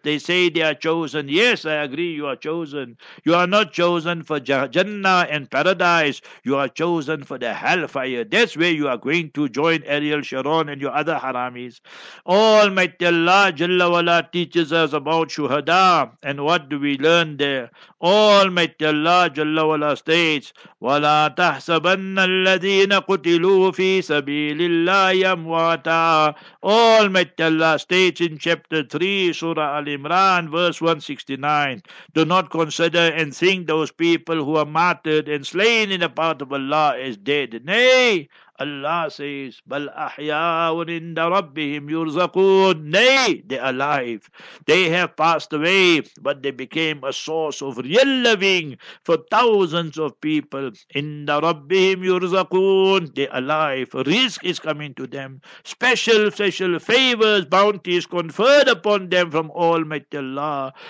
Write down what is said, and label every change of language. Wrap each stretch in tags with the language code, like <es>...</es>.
<en>They say they are chosen. Yes, I agree, you are chosen. You are not chosen for Jannah and paradise. You are chosen for the hellfire. That's where you are going to join Ariel Sharon and your other haramis. Almighty Allah Jalla Wala teaches us about Shuhada, and what do we learn there? Almighty Allah Jalla Wala states,</en> <ar>وَلَا تَحْسَبَنَّ الَّذِينَ قُتِلُوا فِي سَبِيلِ اللَّهِ يَمْوَاتَ.</ar> <en>Almighty Allah states in chapter 3, Surah Al-Imran, verse 169, do not consider and think those people who are martyred and slain in the path of Allah as dead. Nay, Allah says,</en> <ar>بَلْ أَحْيَاءٌ عِنْدَ رَبِّهِمْ يُرْزَقُونَ.</ar> <en>Nay, they are alive. They have passed away, but they became a source of real living for thousands of people.</en> <ar>عِنْدَ رَبِّهِمْ يُرْزَقُونَ.</ar> <en>They are alive. Risk is coming to them. Special favors, bounties conferred upon them from Almighty Allah.</en>